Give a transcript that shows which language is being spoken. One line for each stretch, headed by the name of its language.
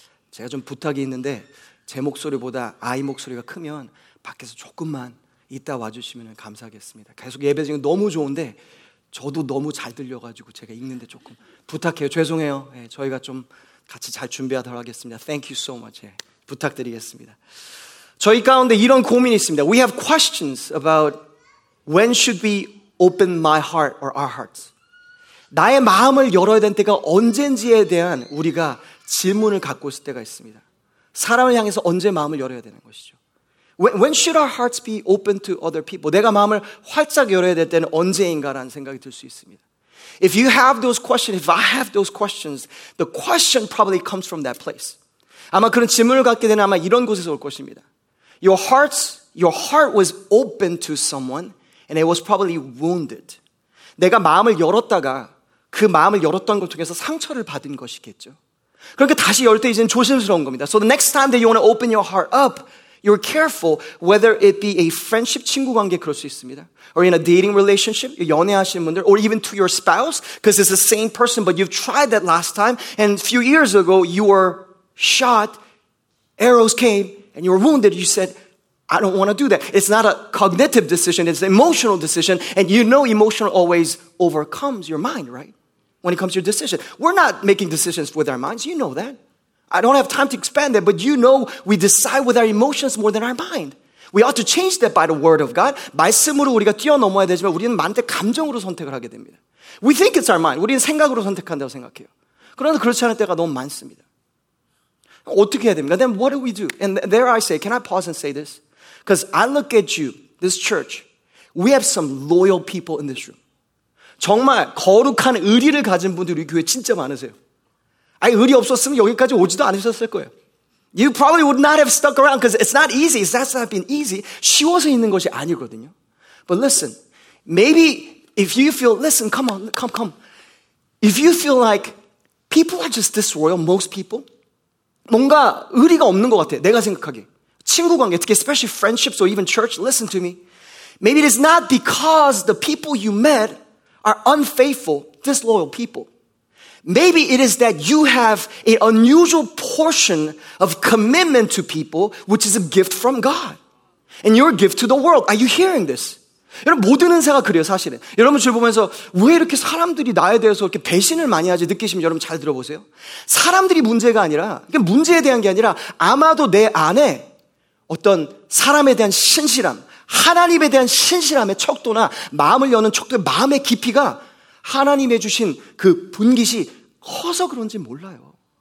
Korean: 제가 좀 부탁이 있는데 제 목소리보다 아이 목소리가 크면 밖에서 조금만 이따 와주시면 감사하겠습니다. 계속 예배 지금 너무 좋은데 저도 너무 잘 들려가지고 제가 읽는데 조금 부탁해요. 죄송해요. 네, 저희가 좀 같이 잘 준비하도록 하겠습니다.
English: Thank you so much.
Korean: 네, 부탁드리겠습니다. 저희 가운데 이런 고민이 있습니다.
English: We have questions about when should we open my heart or our hearts.
Korean: 나의 마음을 열어야 될 때가 언젠지에 대한 우리가 질문을 갖고 있을 때가 있습니다. 사람을 향해서 언제 마음을 열어야 되는 것이죠.
English: When should our hearts be open to other people?
Korean: 내가 마음을 활짝 열어야 될 때는 언제인가라는 생각이 들 수 있습니다.
English: If you have those questions, if I have those questions, the question probably comes from that place.
Korean: 아마 그런 질문을 갖게 되는 아마 이런 곳에서 올 것입니다.
English: Your heart was open to someone and it was probably wounded.
Korean: 내가 마음을 열었다가 그 마음을 열었던 걸 통해서 상처를 받은 것이겠죠. 그러니까 다시 열 때 이제는 조심스러운 겁니다.
English: So the next time that you want to open your heart up, you're careful whether it be a friendship,
Korean: 친구 관계 그럴 수 있습니다.
English: Or in a dating relationship,
Korean: 연애하시는 분들,
English: or even to your spouse, because it's the same person, but you've tried that last time, and a few years ago, you were shot, arrows came, and you were wounded, you said, I don't want to do that. It's not a cognitive decision, it's an emotional decision, and you know emotion always overcomes your mind, right? When it comes to your decision. We're not making decisions with our minds, you know that. I don't have time to expand that, but you know we decide with our emotions more than our mind. We ought to change that by the word of God.
Korean: 말씀으로 우리가 뛰어넘어야 되지만 우리는 많은 때 감정으로 선택을 하게 됩니다.
English: We think it's our mind.
Korean: 우리는 생각으로 선택한다고 생각해요. 그런데 그렇지 않을 때가 너무 많습니다. 어떻게 해야 됩니까?
English: Then what do we do? And there I say, can I pause and say this? Because I look at you, this church, we have some loyal people in this room.
Korean: 정말 거룩한 의리를 가진 분들이 우리 교회 진짜 많으세요. 아니, 의리 없었으면 여기까지 오지도 않으셨을 거예요.
English: You probably would not have stuck around because it's not easy. It's not been easy.
Korean: 쉬워서 있는 것이 아니거든요.
English: But listen, maybe if you feel, listen, come on, come, come. If you feel like people are just disloyal, most people,
Korean: 뭔가 의리가 없는 것 같아, 내가 생각하기에. 친구 관계,
English: especially friendships or even church, listen to me. Maybe it is not because the people you met are unfaithful, disloyal people. Maybe it is that you have an unusual portion of commitment to people, which is a gift from God. And your gift to the world. Are you hearing this?
Korean: 여러분, 모든 은사가 그래요, 사실은. 여러분, 저를 보면서 왜 이렇게 사람들이 나에 대해서 이렇게 배신을 많이 하지 느끼시면 여러분 잘 들어보세요. 사람들이 문제가 아니라, 이게 문제에 대한 게 아니라, 아마도 내 안에 어떤 사람에 대한 신실함, 하나님에 대한 신실함의 척도나 마음을 여는 척도의 마음의 깊이가 하나님의 주신 그 분깃이 커서 그런지 몰라요.